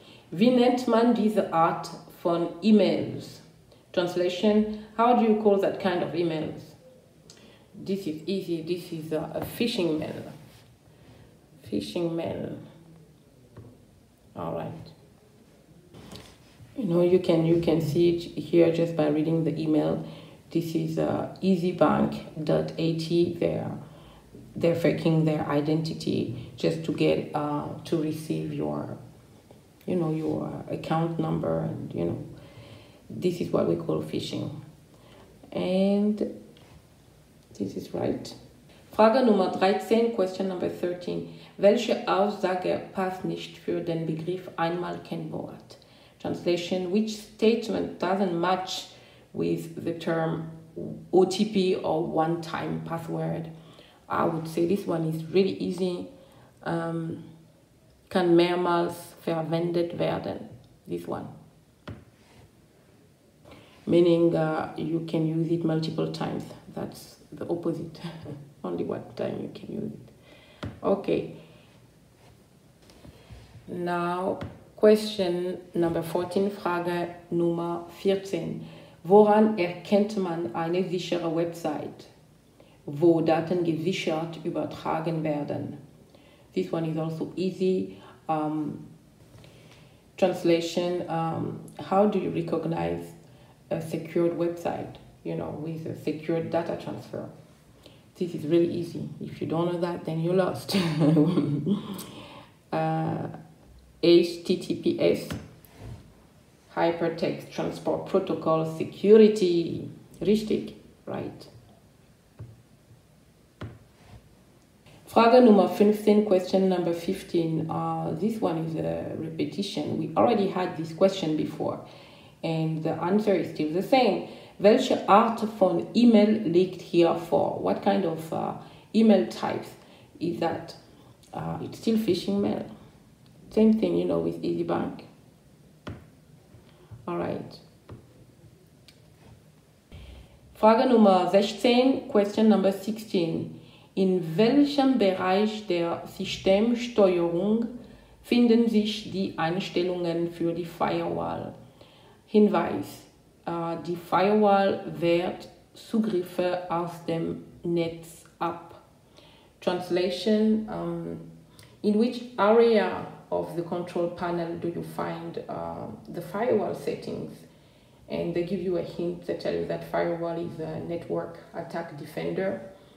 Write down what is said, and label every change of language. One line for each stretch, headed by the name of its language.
German: Wie nennt man diese Art von E-Mails?
English: Translation, how do you call that kind of emails? This is easy. This is a phishing mail. Phishing mail. All right. You know, you can see it here just by reading the email. This is easybank.at. They're faking their identity just to get to receive your account number, and you know, this is what we call phishing. And this is right.
German: Frage Nummer 13,
English: question number 13.
German: Welche Aussage passt nicht für den Begriff einmal Kennwort?
English: Translation, which statement doesn't match with the term OTP or one-time password? I would say this one is really easy.
German: Kann mehrmals verwendet werden.
English: This one. Meaning you can use it multiple times. That's the opposite. Only one time you can use it. Okay. Now, question number 14,
German: Frage Nummer 14. Woran erkennt man eine sichere Website, wo Daten gesichert übertragen werden?
English: This one is also easy. Translation, how do you recognize a secured website, you know, with a secured data transfer? This is really easy. If you don't know that, then you're lost. HTTPS, Hypertext Transport Protocol Security.
German: Richtig,
English: right.
German: Frage Nummer 15,
English: question number 15. This one is a repetition. We already had this question before. And the answer is still the same.
German: Welche Art von E-Mail liegt hier vor?
English: What kind of E-Mail types is that? It's still phishing mail. Same thing, you know, with EasyBank. All right.
German: Frage Nummer 16,
English: question number 16.
German: In welchem Bereich der Systemsteuerung finden sich die Einstellungen für die Firewall? Hinweis: Die Firewall wehrt Zugriffe aus dem Netz ab.
English: Translation: In which area of the control panel do you find the firewall settings? And they give you a hint to tell you that firewall is a network attack defender.